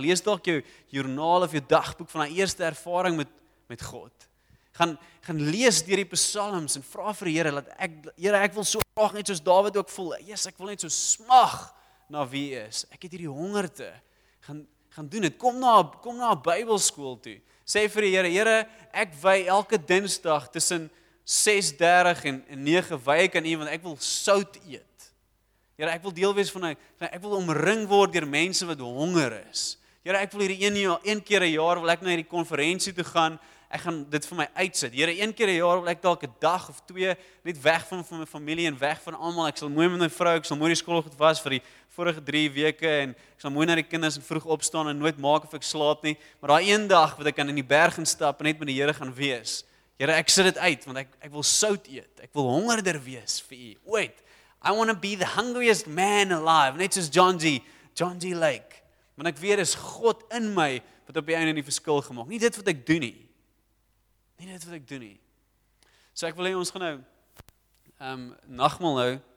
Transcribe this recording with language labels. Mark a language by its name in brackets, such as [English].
[Afrikaans] Lees dalk jou joernaal of jou dagboek van daai eerste ervaring met God. Gaan lees deur die psalms en vra vir die Here dat ek wil so graag net soos Dawid ook voel. Jesus, ek wil net so smag na wie is. Ek het hierdie hongerte. Gaan doen dit. Kom na 'n Bybelskool toe. Sê vir die Here, ek wy elke Dinsdag tussen 6:30 en 9 wy ek aan U, want ek wil sout eet. Here, ek wil deel wees van ek wil omring word deur mense wat honger is. Here, ek wil hierdie een keer 'n jaar wil ek na hierdie konferensie toe gaan. Ek gaan dit vir my uitsit. Here, een keer 'n jaar wil ek dalk 'n dag of twee net weg van my familie en weg van almal. Ek sal mooi met my vrou, ek sal mooi die skool goed was vir die vorige 3 weke en ek sal mooi na die kinders en vroeg opstaan en nooit maak of ek slaap nie. Maar daai een dag wat ek kan in die berg instap en net met die Here gaan wees. Here, ek sit dit uit want ek wil sout eet. Ek wil hongerder wees vir U. [English] Wait. I want to be the hungriest man alive. [Afrikaans] Net soos [English] John G. Lake. [Afrikaans] Want ek weet is God in my wat op die einde die verskil gemaak. Nie dit wat ek doen nie. Nie dit wat ek doen nie. So ek wil hê ons gaan nou nagmaal hou.